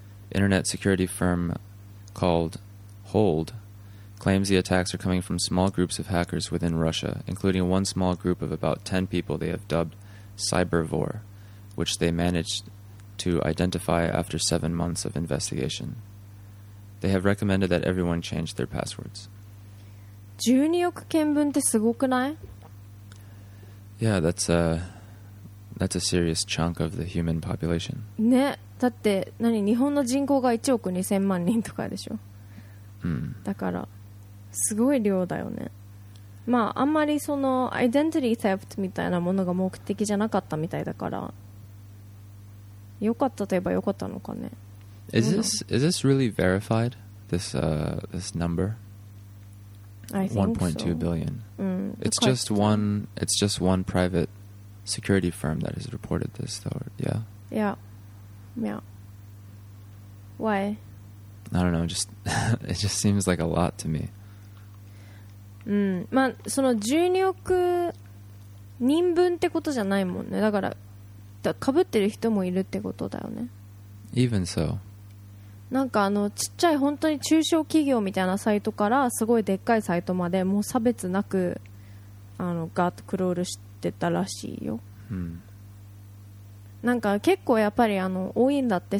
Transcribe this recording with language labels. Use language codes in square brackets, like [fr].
[en] Internet security firm called Hold claims the attacks are coming from small groups of hackers within Russia, including one small group of about 10 people they have dubbed Cybervore, which they managed to identify after 7 months of investigation. They have recommended that everyone change their passwords. [ja] 12億件分ってすごくない? [en] Yeah, that's a serious chunk of the human population. [ja] ね、だって何、日本の人口が1億2千万人とかでしょ。だから、すごい量だよね。まあ、あんまりそのアイデンティティセフトみたいなものが目的じゃなかったみたいだから、よかったといえばよかったのかね。 [en] Is this really verified? This number? I think so. 1.2 billion、 [ja] うん、 [en] It's just one private security firm that has reported this though. Yeah. Yeah. Yeah. Why? I don't know, just it just seems like a lot to me [ja] うん、まあその12億人分ってことじゃないもんね。だから被ってる人もいるってことだよね。 [en] Even so、 [ja] なんかあのちっちゃい本当に中小企業みたいなサイトからすごいでっかいサイトまでもう差別なくあのガッとクロールしてたらしいよ、なんか結構やっぱりあの多いんだって。